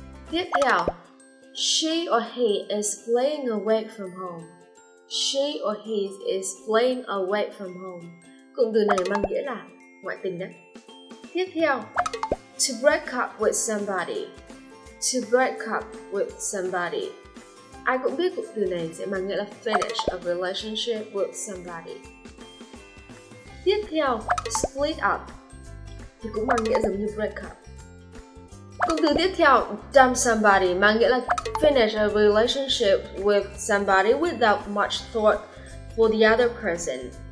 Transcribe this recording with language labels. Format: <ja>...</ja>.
<vi>Tiếp theo,</vi> <en>she or he is playing away from home. She or he is playing away from home.</en> <vi>Cụm từ này mang nghĩa là ngoại tình đấy. Tiếp theo,</vi> <en>to break up with somebody. to break up with somebody.</en> <vi>Ai cũng biết cụm từ này sẽ mang nghĩa là</vi> <en>finish a relationship with somebody.</en> <vi>Tiếp theo, split up thì cũng mang nghĩa giống như break up. Cụm từ tiếp theo,</vi> <en>dump somebody,</en> <vi>mang nghĩa là</vi> <en>finish a relationship with somebody without much thought for the other person.</en>